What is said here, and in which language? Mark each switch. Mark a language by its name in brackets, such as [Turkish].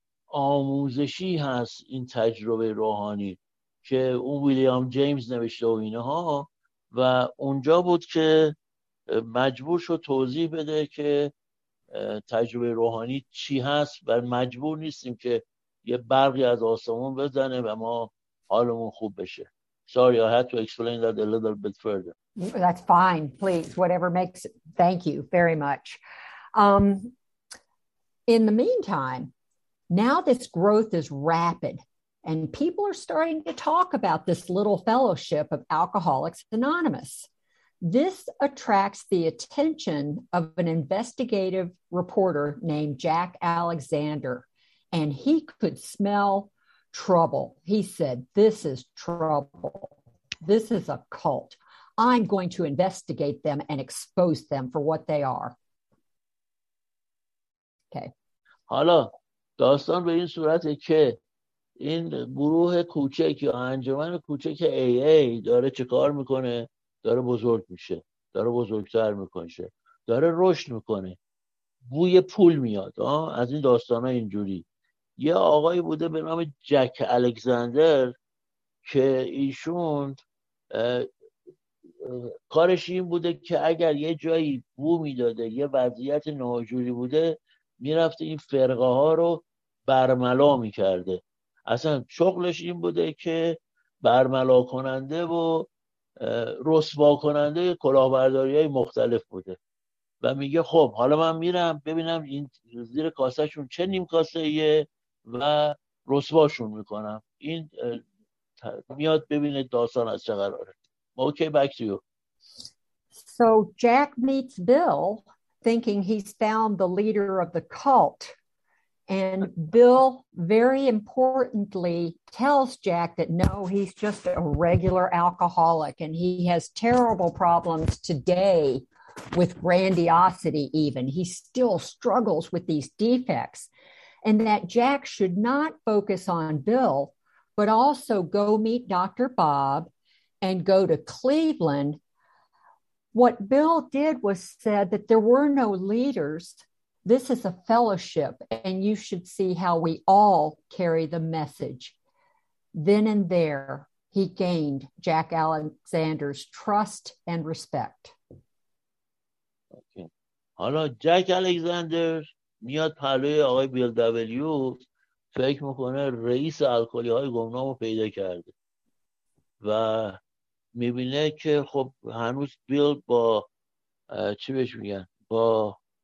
[Persian] آموزشی هست این تجربه روحانی که اون ویلیام جیمز نوشته و اینها، و اونجا بود که مجبور شد توضیح بده که تجربه روحانی چی هست و مجبور نیستیم که یه برقی از آسمون بزنه و ما حالمون خوب بشه. [English] Sorry, I had to explain that a little bit further. That's fine, please, whatever makes it. Thank you very much. In the meantime, now this growth is rapid and people are starting to talk about this little fellowship of Alcoholics Anonymous. This attracts the attention of an investigative reporter named Jack Alexander. And he could smell trouble. He said, this is trouble. This is a cult. I'm going to investigate them and expose them for what they are. Okay. [Persian] حالا داستان به این صورته که این گروه کوچک یا انجمن کوچک AA داره چه کار میکنه؟ داره بزرگ میشه. داره بزرگتر میکنه. داره رشد میکنه. بوی پول میاد. از این داستان ها اینجوری. یه آقایی بوده به نام جک الکساندر که ایشون کارش این بوده که اگر یه جایی بو میداده یه وضعیت ناجوری بوده میرفته این فرقه ها رو برملا میکرده. اصلا شغلش این بوده که برملا کننده و رسوا کننده کلاهبرداری های مختلف بوده و میگه خب حالا من میرم ببینم این زیر کاسه شون چه نیم کاسه ایه و رسواشون میکنم. این میاد ببینه داستان از چه قراره. [English] Okay, back to you. So Jack meets Bill thinking he's found the leader of the cult, and Bill very importantly tells Jack that no, he's just a regular alcoholic and he has terrible problems today with grandiosity even. He still struggles with these defects. And that Jack should not focus on Bill, but also go meet Dr. Bob and go to Cleveland. What Bill did was said that there were no leaders. This is a fellowship, and you should see how we all carry the message. Then and there, he gained Jack Alexander's trust and respect. Okay. Hello, Jack Alexander. [Persian] میاد پلوی آقای بیل دبلیو، فکر میکنه رئیس الکلی های گمنام رو پیدا کرده و میبینه که خب هنوز بیل با چی بهش میگن با